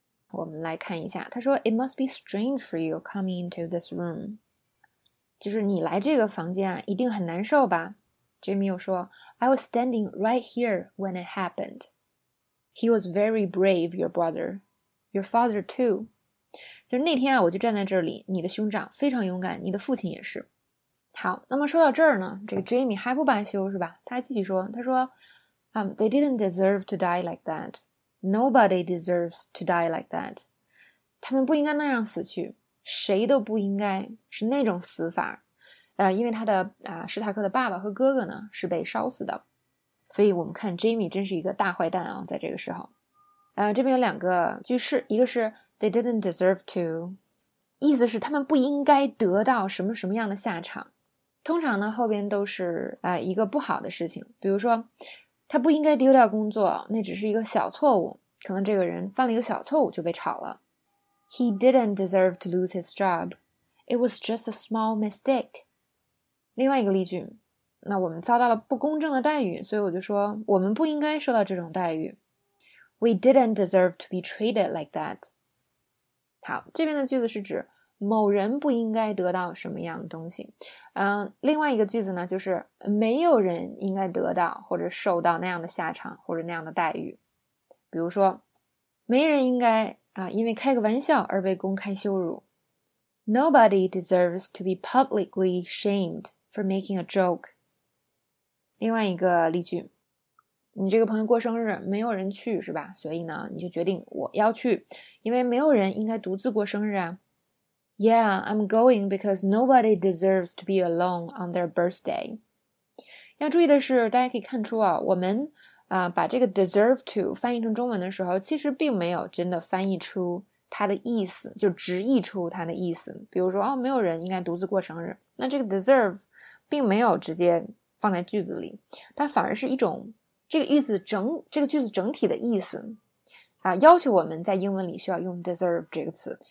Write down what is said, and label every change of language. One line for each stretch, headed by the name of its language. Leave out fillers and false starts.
Chinese: 我们来看一下，他说
English: "It must be strange for you coming into this room."
Chinese: 就是你来这个房间啊，一定很难受吧 ？Jimmy 又说
English: "I was standing right here when it happened." He was very brave, your brother. Your father, too.
Chinese: 就是那天啊，我就站在这里，你的兄长非常勇敢，你的父亲也是。好，那么说到这儿呢，这个 Jamie 还不罢休，是吧？他还继续说，他说
English: they didn't deserve to die like that. Nobody deserves to die like that.
Chinese: 他们不应该那样死去，谁都不应该是那种死法。因为他的史塔克的爸爸和哥哥呢，是被烧死的。所以我们看 Jamie 真是一个大坏蛋啊，在这个时候。这边有两个句式，一个是
English: they didn't deserve to,
Chinese: 意思是他们不应该得到什么什么样的下场。通常呢后边都是一个不好的事情，比如说他不应该丢掉工作，那只是一个小错误，可能这个人犯了一个小错误就被炒了。
English: He didn't deserve to lose his job. It was just a small mistake.
Chinese: 另外一个例句。那我们遭到了不公正的待遇，所以我就说我们不应该受到这种待遇。
English: We didn't deserve to be treated like that.
Chinese: 好，这边的句子是指某人不应该得到什么样的东西。另外一个句子呢，就是没有人应该得到或者受到那样的下场或者那样的待遇。比如说，没人应该因为开个玩笑而被公开羞辱。
English: Nobody deserves to be publicly shamed for making a joke.
Chinese: 另外一个例句，你这个朋友过生日没有人去是吧，所以呢你就决定我要去，因为没有人应该独自过生日啊。
English: Yeah, I'm going because nobody deserves to be alone on their birthday.
Chinese: 要注意的是，大家可以看出啊，我们把这个 deserve to 翻译成中文的时候，其实并没有真的翻译出它的意思，就直译出它的意思。比如说哦，没有人应该独自过生日，那这个 deserve 并没有直接放在句子里，它反而是一种这个句子整体的意思啊，要求我们在英文里需要用 deserve 这个词。